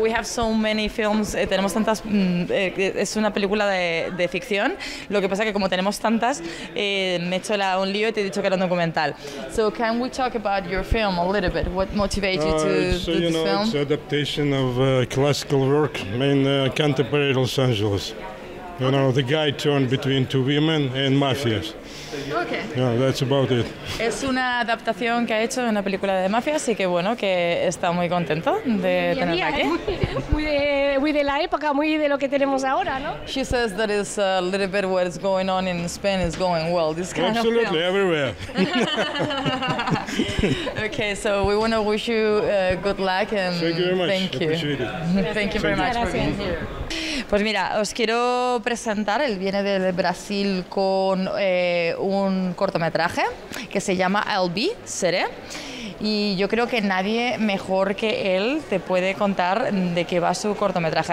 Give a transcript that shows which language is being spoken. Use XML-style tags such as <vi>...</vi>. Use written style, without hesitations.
<en>We have so many films,</en> <es>tenemos tantas, es una película de ficción. Lo que pasa es que como tenemos tantas, me he hecho un lío y te he dicho que era un documental.</es> <en>So can we talk about your film a little bit? What motivated you to It's an adaptation of classical work in contemporary Los Angeles. You know, the guy turned between two women and mafias. Okay. Yeah, that's about it.</en> <es>Es una adaptación que ha hecho de una película de mafia, así que bueno, que está muy contento de tenerla aquí. Muy de la época, muy de lo que tenemos ahora, ¿no?</es> <en>She says that is a little bit what is going on in Spain is going well. This kind Absolutely, of film. Absolutely, everywhere. Okay, so we want to wish you good luck and thank you very much. Thank you. Appreciate it. Thank you very much.</en> <es>Pues mira, os quiero presentar, él viene de Brasil con un cortometraje que se llama I'll Be, Seré, y yo creo que nadie mejor que él te puede contar de qué va su cortometraje.</es>